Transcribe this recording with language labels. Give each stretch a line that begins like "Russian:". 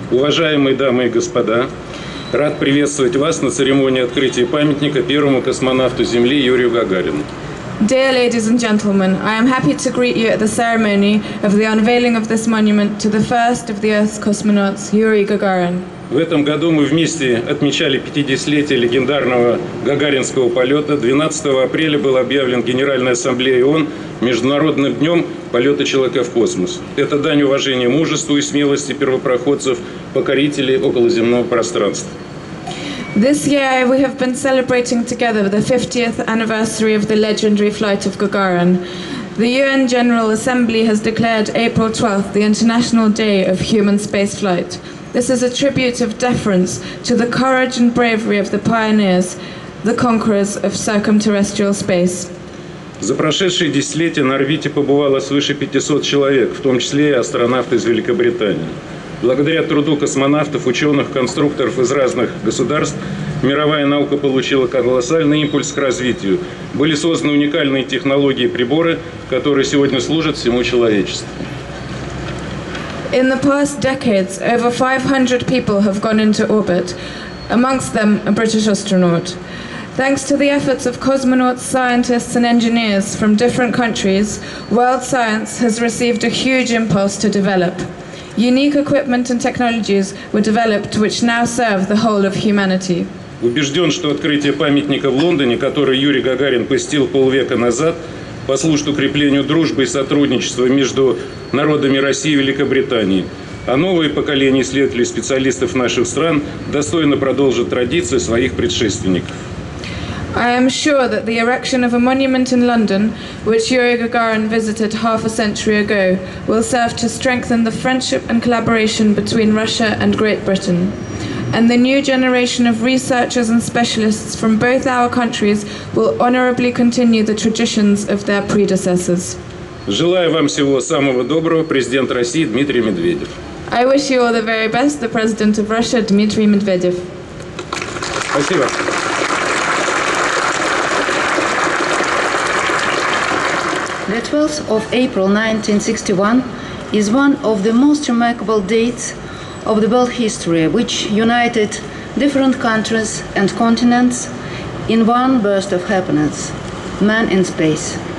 Russian: Уважаемые дамы и господа, рад приветствовать вас на церемонии открытия памятника первому космонавту Земли Юрию Гагарину.
English: Dear ladies and gentlemen, I am happy to greet you at the ceremony of the unveiling of this monument to the first of the Earth's cosmonauts, Yuri Gagarin.
Russian: В этом году мы вместе отмечали 50-летие легендарного гагаринского полета. 12 апреля был объявлен Генеральной Ассамблеей ООН Международным днем полета человека в космос. Это дань уважения мужеству и смелости первопроходцев, покорителей околоземного пространства.
English: This year we have been celebrating together the 50th anniversary of the legendary flight of Gagarin. The UN General Assembly has declared April 12th the International Day of Human Space Flight. This is a tribute of deference to the courage and bravery of the pioneers, the conquerors of circumterrestrial space.
Russian: За прошедшие десятилетия на орбите побывало свыше 500 человек, в том числе и астронавты из Великобритании. Благодаря труду космонавтов, ученых, конструкторов из разных государств, мировая наука получила колоссальный импульс к развитию. Были созданы уникальные технологии и приборы, которые сегодня служат всему человечеству.
English: In the past decades, over 500 people have gone into orbit, amongst them a British astronaut. Thanks to the efforts of cosmonauts, scientists and engineers from different countries, world science has received a huge impulse to develop. Unique equipment and technologies were developed which now serve the whole of humanity.
Russian: Убежден, что открытие памятника в Лондоне, который Юрий Гагарин посетил полвека назад, послужит укреплению дружбы и сотрудничества между народами России и Великобритании. А новые поколения исследователей и специалистов наших стран достойно продолжат традиции своих предшественников.
English: I am sure that the erection of a monument in London, which Yuri Gagarin visited half a century ago, will serve to strengthen the friendship and collaboration between Russia and Great Britain. And the new generation of researchers and specialists from both our countries will honorably continue the traditions of their predecessors.
Russian: Желаю вам всего самого доброго, президент России Дмитрий Медведев.
English: I wish you all the very best, the President of Russia, Dmitry Medvedev.
Russian: Спасибо.
English: The 12th of April 1961 is one of the most remarkable dates of the world history, which united different countries and continents in one burst of happiness, man in space.